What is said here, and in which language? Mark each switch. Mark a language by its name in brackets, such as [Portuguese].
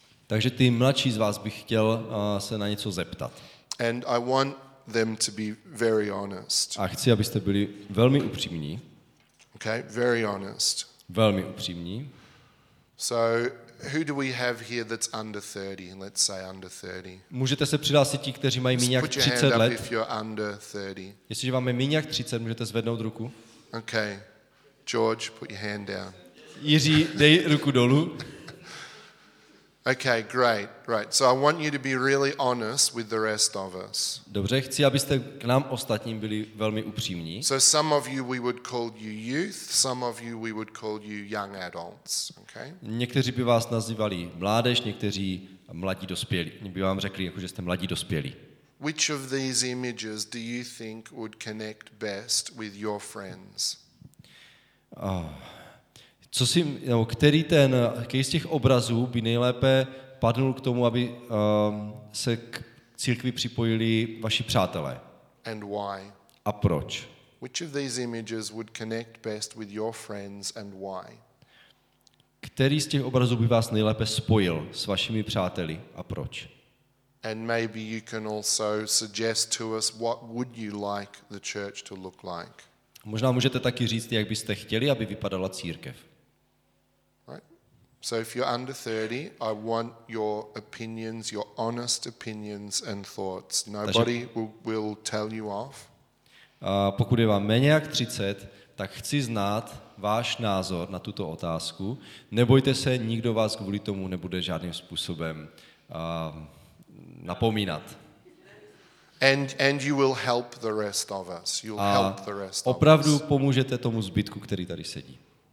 [Czech] Takže ty mladší z vás bych chtěl se na něco zeptat. [English] And I want them to be very honest. [Czech] A chci, abyste byli velmi upřímní. [English] Okay, very honest. [Czech] Velmi upřímní. [English] So who do we have here that's under 30? Let's say under 30. [Czech] Můžete se přihlásit ti, kteří mají méně jak 30 let. [English] If you're under 30. [Czech] Jestliže vám je méně jak 30, můžete zvednout ruku. [English] Okay. George, put your hand down. [Czech] Jiří, dej ruku dolů. [English] Okay, great. Right. So I want you to be really honest with the rest of us. [Czech] Dobře, chci, abyste k nám ostatním byli velmi upřímní. [English] So some of you we would call you youth, some of you we would call you young adults, okay? [Czech] Někteří by vás nazývali mládež, někteří mladí dospělí. Někteří by vám řekli, jako že jste mladí dospělí. [English] Which of these images do you think would connect best with your friends? [Czech] Který z těch obrazů by nejlépe padnul k tomu, aby se k církvi připojili vaši přátelé? [English] And why? [Czech] A proč? [English] Which of these images would connect best with your friends and why? [Czech] Který z těch obrazů by vás nejlépe spojil s vašimi přáteli a proč? [English] And maybe you can also suggest to us what would you like the church to look like? [Czech] Možná můžete taky říct, jak byste chtěli, aby vypadala církev. [English] Right. So if you're under 30, I want your opinions, your honest opinions and thoughts. Nobody will tell you off. [Czech] Pokud je vám méně jak 30, tak chci znát váš názor na tuto otázku. Nebojte se, nikdo vás kvůli tomu nebude žádným způsobem napomínat. [English] And you will help the rest of us. You'll help the rest of us. [Czech] Opravdu pomůžete tomu zbytku, který tady sedí.